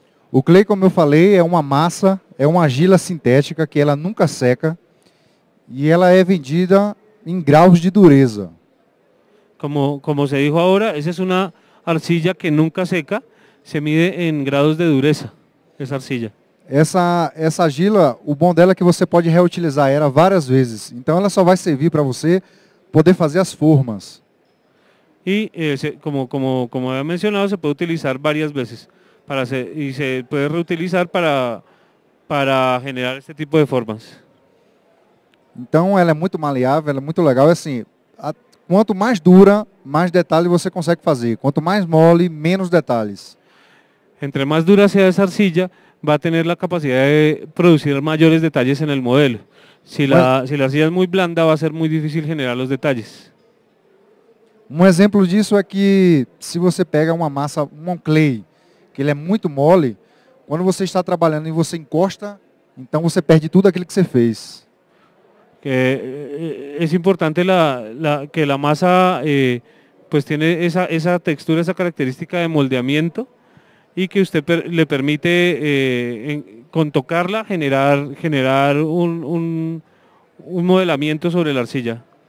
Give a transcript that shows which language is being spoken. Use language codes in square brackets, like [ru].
[pt] O clay, como eu falei, é uma massa, é uma argila sintética que ela nunca seca e ela é vendida em graus de dureza. [es] Como se dijo ahora, esa es una arcilla que nunca seca, se mide en grados de dureza, esa arcilla. [pt] Essa argila, o bom dela é que você pode reutilizar ela várias vezes. Então ela só vai servir para você poder fazer as formas. E como eu mencionado, se pode utilizar várias vezes. [es] Y se puede reutilizar para generar este tipo de formas. Entonces, ella es muy maleable, ella es muy legal. Así, cuanto más dura, más detalles [pt] você consegue [es] hacer. Cuanto más mole, menos detalles. Entre más dura sea esa arcilla, va a tener la capacidad de producir mayores detalles en el modelo. Si la arcilla es muy blanda, va a ser muy difícil generar los detalles. Un ejemplo de eso es que [pt] si você pega una masa, un clay, que ele é muito mole, quando você está trabalhando e você encosta, então você perde tudo aquilo que você fez. É importante que a massa tenha essa textura, essa característica de moldeamento e que você lhe permite, com tocarla, generar um modelamento sobre a arcilla.